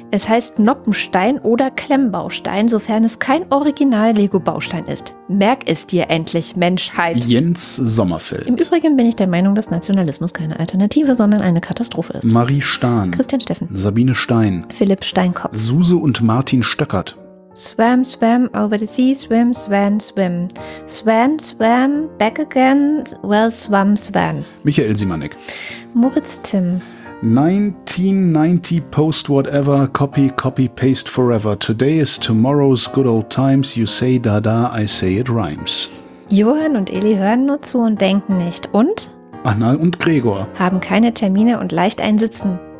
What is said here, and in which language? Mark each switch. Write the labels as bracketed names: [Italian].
[German] Es heißt Noppenstein oder Klemmbaustein, sofern es kein Original-Lego-Baustein ist. Merk es dir endlich, Menschheit. Jens Sommerfeld. Im Übrigen bin ich der Meinung, dass Nationalismus keine Alternative, sondern eine Katastrophe ist. Marie Stahn. Christian Steffen. Sabine Stein. Philipp Steinkopf. Suse und Martin Stöckert. [English] Swam, swam, over the sea, swim, swam, swim. Swam, swam, back again, well, swam, swam. [German] Michael Simanek. Moritz Tim. [English] 1990 post whatever, copy, copy, paste forever. Today is tomorrow's good old times. You say da da, I say it rhymes. [German] Johann und Eli hören nur zu und denken nicht. Und? Anna und Gregor. Haben keine Termine und leicht einsitzen.